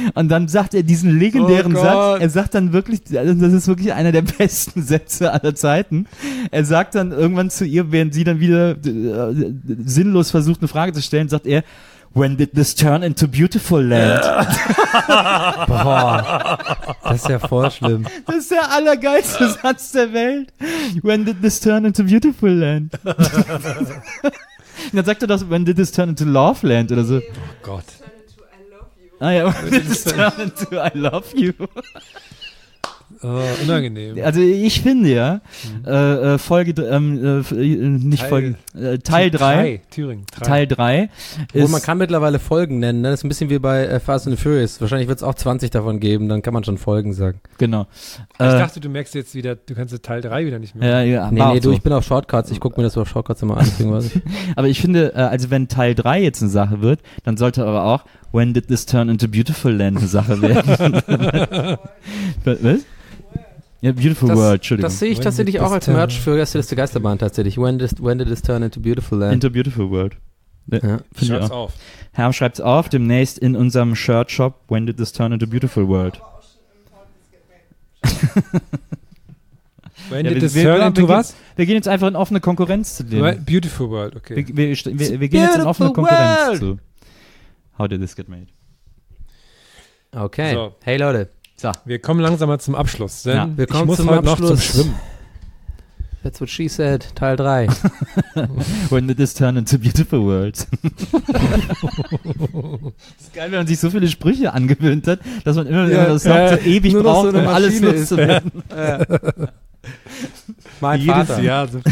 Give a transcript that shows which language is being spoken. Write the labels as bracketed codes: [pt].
[de] Und dann sagt er diesen legendären Satz. Er sagt dann wirklich, das ist wirklich einer der besten Sätze aller Zeiten. Er sagt dann irgendwann zu ihr, während sie dann wieder sinnlos versucht, eine Frage zu stellen, sagt er, [en] when did this turn into beautiful land? [de] Boah, das ist ja voll schlimm. Das ist der allergeilste Satz der Welt. [en] When did this turn into beautiful land? [de] Dann sagt er doch, [en] when did this turn into love land [de] oder so. Oh Gott. [en] Ah ja, when did this turn into I love you? [de] Oh, unangenehm. Also ich finde ja, Folge, nicht Teil, Folge, Teil 3. Thüringen. Teil 3. Wo man kann mittlerweile Folgen nennen, ne? Das ist ein bisschen wie bei Fast and Furious. Wahrscheinlich wird es auch 20 davon geben, dann kann man schon Folgen sagen. Genau. Ich dachte, du merkst jetzt wieder, du kannst Teil 3 wieder nicht mehr. Nee, ich bin auf Shortcuts, ich gucke mir das auf Shortcuts immer an. Irgendwas. Aber ich finde, also wenn Teil 3 jetzt eine Sache wird, dann sollte aber auch [en] When Did This Turn Into Beautiful Land [de] eine Sache werden. Was? Ja, Beautiful das, World, Entschuldigung. Das sehe ich tatsächlich auch als Merch für Gäste des Geisterbahn tatsächlich. [en] When did this turn into beautiful land? Into beautiful world. [de] Ja, schreib's auf. Herm schreibt's auf, demnächst in unserem Shirt-Shop. [en] When did this turn into beautiful world? When did this turn into was? [de] Wir gehen jetzt einfach in offene Konkurrenz zu dem. [en] Beautiful world, okay. [de] Wir gehen jetzt in offene Konkurrenz zu. [en] How did this get made? [de] Okay, so. Hey Leute. So. Wir kommen langsam mal zum Abschluss. Denn ja, wir kommen ich muss zum heute Abschluss. Noch zum Schwimmen. [en] That's what she said, Teil 3. When did this turn into beautiful world? [de] Das ist geil, wenn man sich so viele Sprüche angewöhnt hat, dass man immer wieder das Wort so ewig nur braucht, so um alles loszuwerden. Ja. Mein Jedes Vater. Jahr.